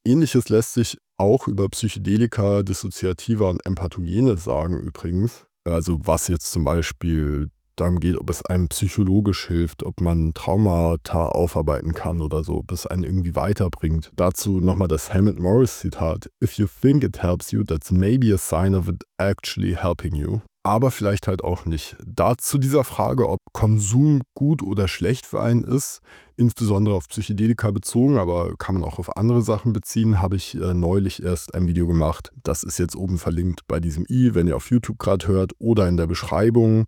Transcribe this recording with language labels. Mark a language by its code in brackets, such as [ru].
[de] Ähnliches lässt sich auch über Psychedelika, Dissoziativa und Empathogene sagen übrigens. Also was jetzt zum Beispiel darum geht, ob es einem psychologisch hilft, ob man Traumata aufarbeiten kann oder so, ob es einen irgendwie weiterbringt. Dazu nochmal das Helmut Morris Zitat. [en] If you think it helps you, that's maybe a sign of it actually helping you. [de] Aber vielleicht halt auch nicht. Dazu dieser Frage, ob Konsum gut oder schlecht für einen ist, insbesondere auf Psychedelika bezogen, aber kann man auch auf andere Sachen beziehen, habe ich neulich erst ein Video gemacht. Das ist jetzt oben verlinkt bei diesem i, wenn ihr auf YouTube gerade hört, oder in der Beschreibung.